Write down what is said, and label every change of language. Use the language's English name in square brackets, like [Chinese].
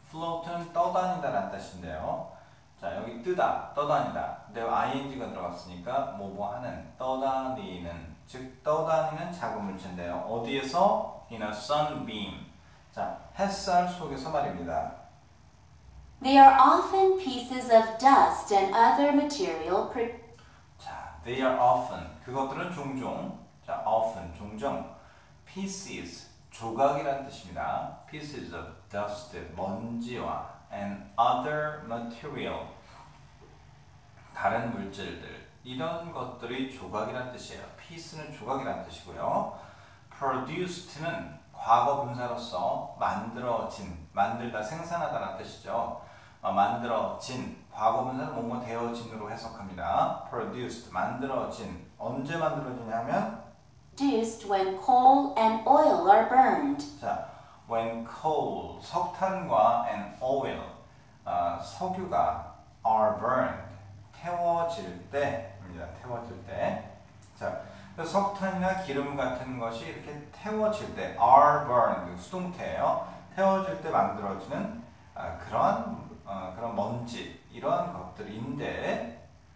[Korean] Float은 떠다니다라는 뜻인데요. 자, 여기 뜨다, 떠다니다. 근데 ing가 들어갔으니까 뭐뭐 하는, 떠다니는, 즉 떠다니는 작은 물체인데요. 어디에서? [English] In a sunbeam. [Korean] 자, 햇살 속에서 말입니다. [English] They are often pieces of dust and other material. [Korean] 자, [English] they are often. [Korean] 그것들은 종종. 자, often, 종종. Pieces, 조각이란 뜻입니다. [English] Pieces of dust, [Korean] 먼지와. [English] And other material, [Korean] 다른 물질들. 이런 것들이 조각이란 뜻이에요. piece는 조각이란 뜻이고요. produced는 과거 분사로서 만들어진, 만들다, 생산하다란 뜻이죠. 만들어진, 과거분사는 뭔가 되어진으로 해석합니다. produced, 만들어진. 언제 만들어지냐면? [English] produced when coal and oil are burned. [Korean] 자, when coal, 석탄과 and oil, 석유가 are burned, 태워질 때입니다. 태워질 때. 자, 석탄이나 기름 같은 것이 이렇게 태워질 때, [English] are burned, [Korean] 수동태예요. 태워질 때 만들어지는 그런 먼지, 이러한 것들인데